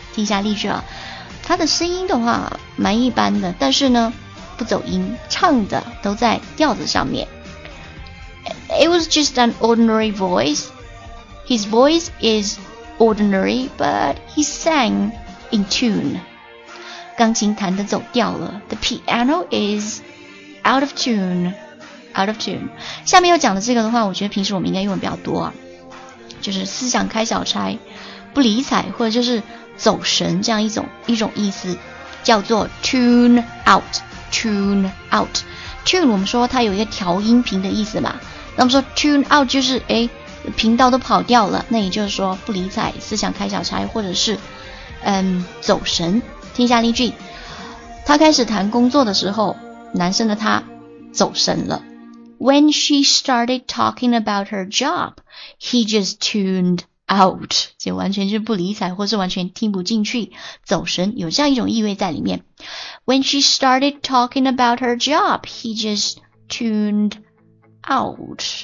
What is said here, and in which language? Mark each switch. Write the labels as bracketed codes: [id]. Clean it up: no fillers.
[zh] 听一下例句啊，他的声音的话蛮一般的，但是呢不走音，唱的都在调子上面。 [en] It was just an ordinary voice. His voice is ordinary, but he sang in tune. [zh] 钢琴弹的走调了。 [en] The piano is out of tune. Out of tune. [zh] 下面要讲的这个的话，我觉得平时我们应该用的比较多啊，就是思想开小差，不理睬，或者就是走神这样一种意思，叫做 tune out. Tune out. Tune 我们说它有一个调音频的意思嘛，那么说 tune out 就是频道都跑掉了，那也就是说不理睬，思想开小差，或者是走神。听一下例句，他开始谈工作的时候，男生的他走神了。 [en] When she started talking about her job, he just tuned out. [zh] 就完全就不理睬，或是完全听不进去，走神，有这样一种意味在里面。 [en] When she started talking about her job, he just tuned out.